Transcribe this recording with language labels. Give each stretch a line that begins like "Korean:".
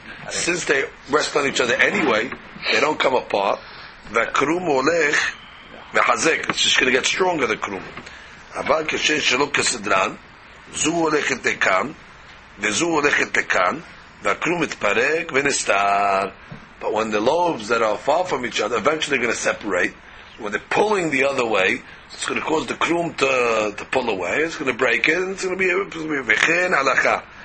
English: Since they rest on each other anyway, they don't come apart. The krum olech, the hazek, it's just going to get stronger, the krum.
Hebrew: אבל כשיש שלו כסדרן, זו הולכת לכאן, וזו הולכת לכאן, והקרום מתפרק ונסתר.
English: But when the lobes that are far from each other, eventually they're going to separate. When they're pulling the other way, it's going to cause the krum to pull away, it's going to break it, and it's going to be a
Hebrew: וכן הלכה.